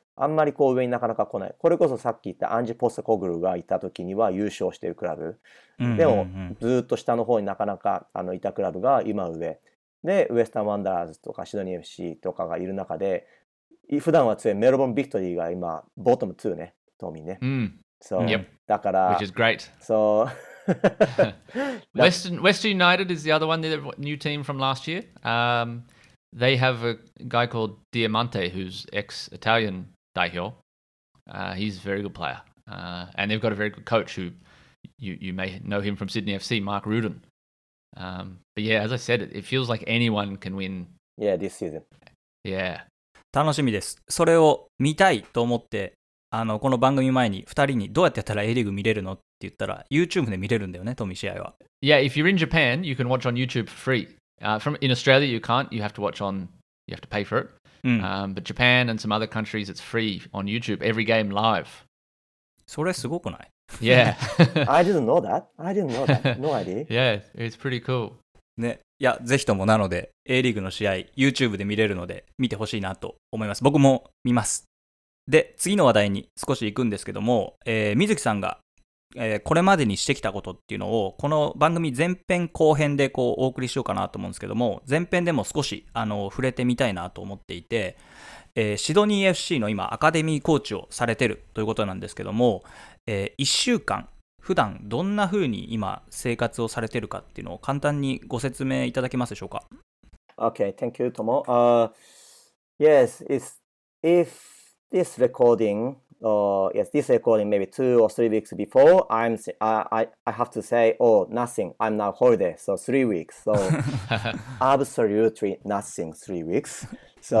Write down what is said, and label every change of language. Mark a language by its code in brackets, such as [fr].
[ja] あんまりこう上になかなか来ない。これこそさっき言ったアンジュ・ポスコグルがいた時には優勝しているクラブ。でも、ずっと下の方になかなかいたクラブが今上。で、ウエスタン・ワンダラーズとかシドニー FC とかがいる中で、普段は強いメルボン・ビクトリーが今、ボトム2ね、トミーね。うん。そう。だから、 [en] Which is great. [ja] そう。 [en] Western United is the other one, the new team from last year.、They have a guy called Diamante, who's ex-Italian 代表. He's a very good player.、and they've got a very good coach who you may know him from Sydney FC, Mark Rudin.、but yeah, as I said, it feels like anyone can win. Yeah, this season. Yeah. [ja] 楽しみです。それを見たいと思って、この番組前に2人にどうやってやったら A リーグ見れるのって言ったら、YouTube で見れるんだよね、トミー試合は。 [en] Yeah, if you're in Japan, you can watch on YouTube for free. From in Australia, you can't. You have to watch on. You have to pay for it.、but Japan and some other countries, it's free on YouTube. Every game live. [ja] それすごくない? [en] Yeah. I didn't know that. I didn't know that. No idea. Yeah, it's pretty cool. [ja] ね、いや、ぜひともなので、A リーグの試合 YouTube で見れるので見てほしいなと思います。僕も見ます。で、次の話題に少し行くんですけども、水木さんが。これまでにしてきたことっていうのをこの番組前編後編でこうお送りしようかなと思うんですけども、前編でも少し触れてみたいなと思っていて、シドニー FC の今アカデミーコーチをされてるということなんですけども、1週間普段どんな風に今生活をされてるかっていうのを簡単にご説明いただけますでしょうか。 [en] Okay, thank you, Tomo. Yes, if this recordingyes, this recording maybe 2 or 3 weeks before, I have to say, oh, nothing. I'm now holiday, so 3 weeks. So absolutely nothing, 3 weeks. So,